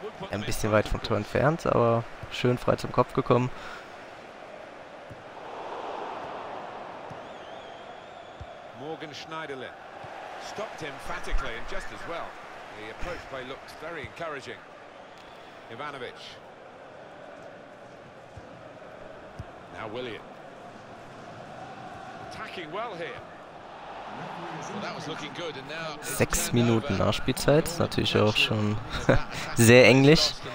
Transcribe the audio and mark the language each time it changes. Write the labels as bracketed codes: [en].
[de] Ein bisschen weit vom Tor entfernt, aber schön frei zum Kopf gekommen. [en] Morgan Schneiderlin stopped emphatically and just as well. The approach play looked very encouraging. Ivanovic. now, will you? Attacking well here. Well, that was looking good. And now [de] 6 Minuten Nachspielzeit, natürlich auch schon sehr englisch.